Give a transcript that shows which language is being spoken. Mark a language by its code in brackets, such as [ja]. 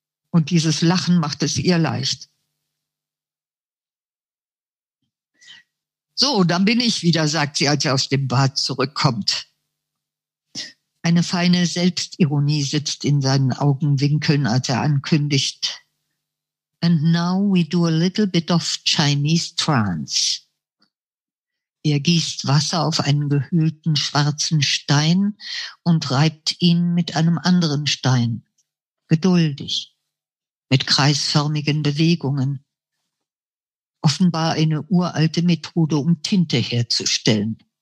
[de] Und dieses Lachen macht es ihr leicht. So, dann bin ich wieder, sagt sie, als er aus dem Bad zurückkommt. Eine feine Selbstironie sitzt in seinen Augenwinkeln, als er ankündigt. [en] And now we do a little bit of Chinese trance. [de] Er gießt Wasser auf einen gehüllten schwarzen Stein und reibt ihn mit einem anderen Stein, geduldig, mit kreisförmigen Bewegungen. Offenbar eine uralte Methode, um Tinte herzustellen.